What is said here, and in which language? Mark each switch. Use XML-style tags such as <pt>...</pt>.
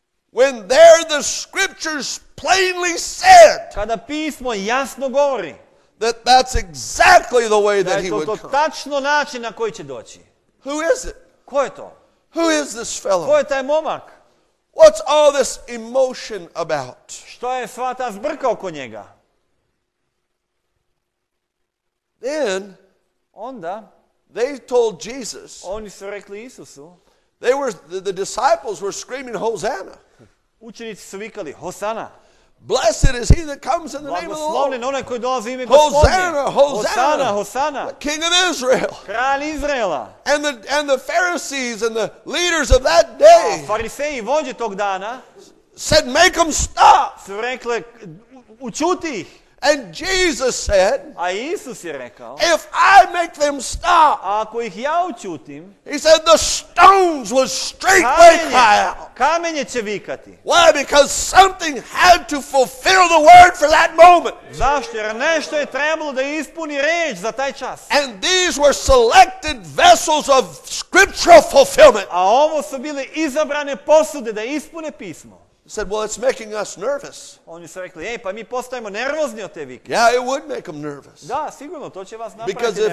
<en>When there the scriptures plainly said.</en> <sr>Kada pismo jasno govori.</sr> <en>That that's exactly the way that he would come.</en> <sr>Da je to tačno način na koji će doći.</sr> <en>Who is it?</en> <sr>Ko je to?</sr> <en>Who is this fellow?</en> <sr>Ko je taj momak?</sr> <en>What's all this emotion about?</en> <sr>Što je sva ta zbrka oko njega?</sr> <en>Then,</en> <sr>onda,</sr> <en>they told Jesus.</en> <sr>Oni su rekli Isusu.</sr> <en>They were the disciples were screaming Hosanna.</en> <sr>Učenici su vikali Hosanna.</sr> <en>Blessed is he that comes in the name of the Lord. Hosanna, Hosanna, Hosanna, Hosanna, the King of Israel.</en> <sr>Kralj Izraela.</sr> <en>And the Pharisees and the leaders of that day.</en> <sr>A fariseji vođe tog dana.</sr> <en>Said, make them stop.</en> <sr>Su rekli, učuti ih.</sr> <en>And Jesus said,</en> <sr>a Isus je rekao,</sr> <en>if I make them stop,</en> <sr>ako ih ja učutim,</sr> <en>he said, the stones will straightway cry out.</en> <sr>Kamenje će vikati.</sr> <en>Why? Because something had to fulfill the word for that moment.</en> <sr>Zašto? Jer nešto je trebalo da ispuni reč za taj čas.</sr> <en>And these were selected vessels of scriptural fulfillment.</en> <sr>A ovo su bile izabrane posude da ispune pismo.</sr> <en>Said, well, it's making us nervous.</en> <sr>Oni su rekli, ej, pa mi postajemo nervozni od te vike.</sr> <en>Yeah, it would make them nervous.</en> <sr>Da, sigurno, to će vas napraviti</sr> <en>Because if</en>